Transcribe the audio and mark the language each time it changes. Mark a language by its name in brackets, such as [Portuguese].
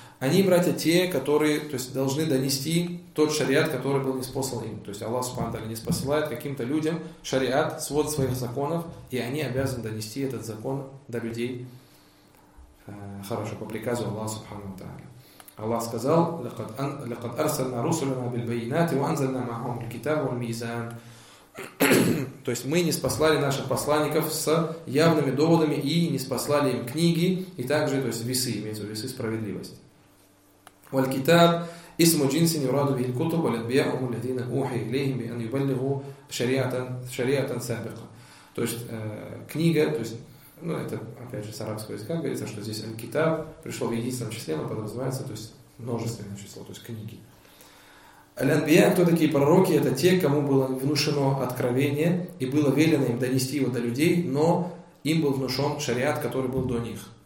[Russian] Они, братья, те, которые то есть, должны донести тот шариат, который был ниспослан им. То есть Аллах Субхана Тааля ниспосылает каким-то людям шариат, свод своих законов, и они обязаны донести этот закон до людей. Хорошо, по приказу Аллаха Субхану Тааля. Аллах сказал: [Arabic] لقد أرسلنا رسلنا بالبينات وأنزلنا معهم الكتاب والميزان. [Russian] То есть мы ниспослали наших посланников с явными доводами и ниспослали им книги и также то есть весы, имеется в виду весы справедливости. [Arabic] والكتاب اسم جنس يراد به الكتب والأنبياء هم الذين أوحي إليهم بأن يبلغوا شريعة سابقة. [Russian] То есть книга, то есть ну, это, опять же, с арабского языка говорится, что здесь «Аль-Китаб» пришло в единственном числе, но подразумевается, то есть, множественное число, то есть, книги. «Аль-Анбия» — кто такие пророки? Это те, кому было внушено откровение, и было велено им донести его до людей, но им был внушен шариат, который был до них.